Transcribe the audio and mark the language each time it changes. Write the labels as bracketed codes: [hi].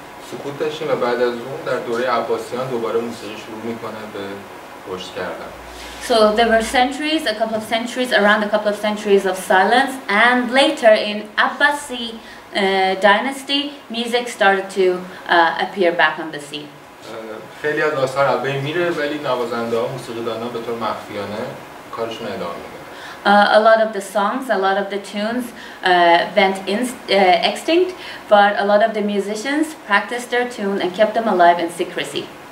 [fa] سکوت داشتیم و بعد از اون در دوره عباسیان دوباره موسیقی شروع میکنه به رشد کردن. [en] So there were centuries, a couple of centuries, around a couple of centuries of silence, and later in Abbasi dynasty, music started to appear back on the scene. [fa] خیلی از آثار ابی میره ولی نوازنده ها موسیقی دانا به طور مخفیانه کارشون ادامه میده. [en] A lot of the songs, a lot of the tunes went extinct, but a lot of the musicians practiced their tune and kept them alive in secrecy.